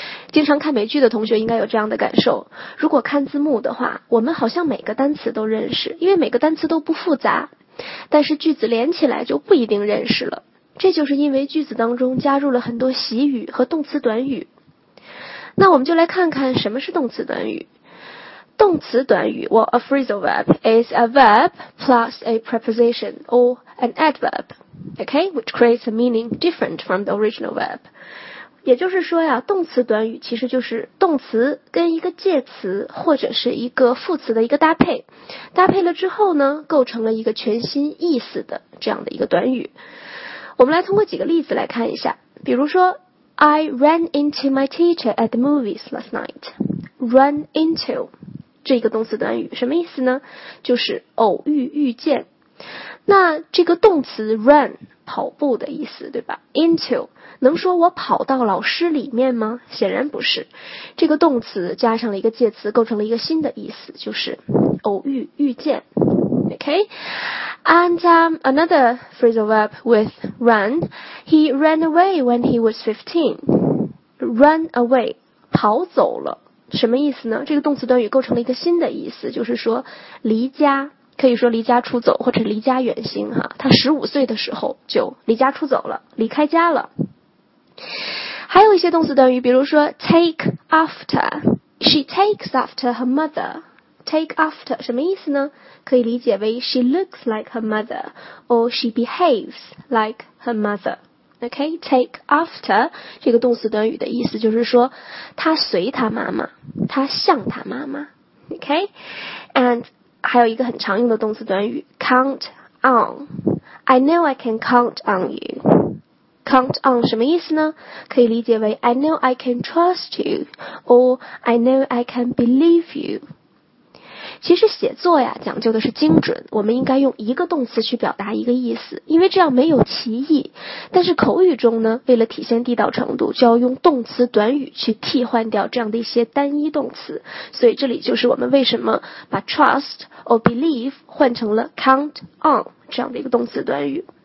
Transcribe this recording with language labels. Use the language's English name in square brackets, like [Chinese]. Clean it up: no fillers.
[Chinese] 经常看美剧的同学应该有这样的感受，如果看字幕的话，我们好像每个单词都认识，因为每个单词都不复杂，但是句子连起来就不一定认识了，这就是因为句子当中加入了很多习语和动词短语。那我们就来看看什么是动词短语。动词短语 [English] well, a phrasal verb is a verb plus a preposition or an adverb, okay, which creates a meaning different from the original verb. [Chinese] 也就是说呀，动词短语其实就是动词跟一个介词或者是一个副词的一个搭配，搭配了之后呢，构成了一个全新意思的这样的一个短语。我们来通过几个例子来看一下，比如说 [English] I ran into my teacher at the movies last night. [Chinese] Run into 这个动词短语什么意思呢？就是偶遇、遇见。那这个动词 run 跑步的意思，对吧？ into 能说我跑到老师里面吗？显然不是。这个动词加上了一个介词，构成了一个新的意思，就是偶遇、遇见。 [English] Okay, and another phrasal verb with run. He ran away when he was 15. [Chinese] Run away, 跑走了，什么意思呢？这个动词短语构成了一个新的意思，就是说离家。可以说离家出走或者离家远行哈，他15岁的时候就离家出走了，离开家了。还有一些动词短语，比如说 [English] take after, she takes after her mother. [Chinese] Take after 什么意思呢？可以理解为 [English] she looks like her mother or she behaves like her mother. [Chinese] Okay, take after 这个动词短语的意思就是说他随他妈妈，他像他妈妈。 [English] Okay, and [Chinese] 还有一个很常用的动词短语 count on. [English] I know I can count on you. Count on [Chinese] 什么意思呢？可以理解为 [English] I know I can trust you or I know I can believe you. [Chinese] 其实写作呀，讲究的是精准，我们应该用一个动词去表达一个意思，因为这样没有歧义。但是口语中呢，为了体现地道程度，就要用动词短语去替换掉这样的一些单一动词。所以这里就是我们为什么把 [English] trust or believe [Chinese] 换成了 count on 这样的一个动词短语。